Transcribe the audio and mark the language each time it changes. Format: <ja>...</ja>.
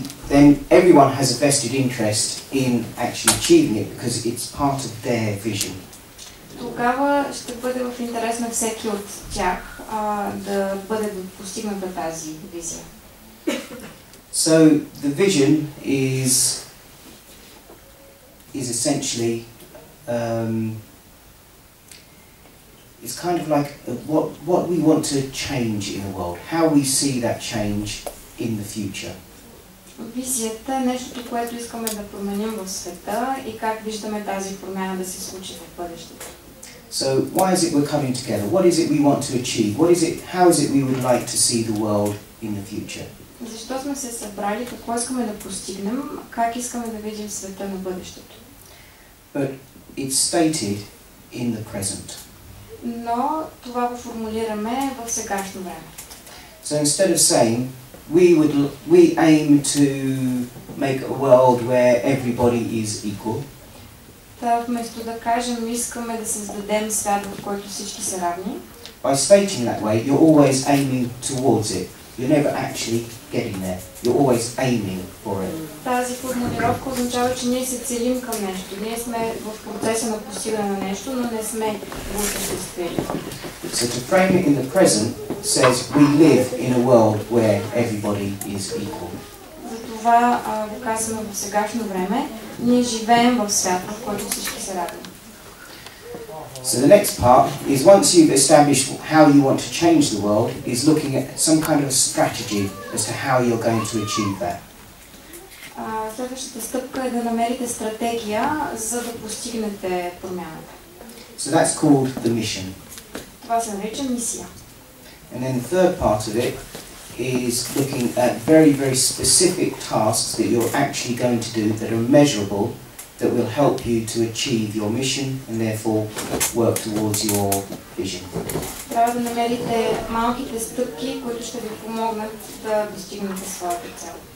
<en>then everyone has a vested interest in actually achieving it because it's part of their vision.</en> <bg>Тогава ще бъде в интерес на всеки от тях да бъде постигната тази визия.</bg> <en>So the vision is essentially it's kind of like what we want to change in the world, how we see that change in the future.</en> <bg>Визията е нещото, което искаме да променим в света и как виждаме тази промяна да се случи в бъдещето.</bg> <en>So why is it we're coming together? What is it we want to achieve? What is it, how is it we would like to see the world in the future?</en> <bg>Защо сме се събрали, какво искаме да постигнем, как искаме да видим света на бъдещето?</bg> <en>But it's stated in the present.</en> <bg>Но това го формулираме в сегашно време.</bg> <en>So instead of saying we aim to make a world where everybody is equal.</en> <bg>Та вместо да кажем искаме да създадем свят, в който всички са равни.</bg> <en>By stating that way, you're always aiming towards it. You're never actually getting there. You're always aiming for it.</en> <bg>Тази формулировка означава, че ние се целим към нещо. Ние сме в процеса на постигане на нещо, но не сме в осъществили.</bg> <en>So to frame it in the present says we live in a world where everybody is equal.</en> <bg>Затова го казваме в сегашно време, ние живеем в свят, в който всички се радваме.</bg> <en>So the next part is once you've established how you want to change the world, is looking at some kind of strategy as to how you're going to achieve that.</en> <bg>Следващата стъпка е да намерите стратегия, за да постигнете промяната.</bg> <en>So that's called the mission.</en> <bg>Това се нарича мисия.</bg> <en>And then the third part of it is looking at very, very specific tasks that you're actually going to do that are measurable, that will help you to achieve your mission and therefore work towards your vision.</en> <bg>Трябва да намерите малките стъпки, които ще ви помогнат да достигнете своята цел.</bg>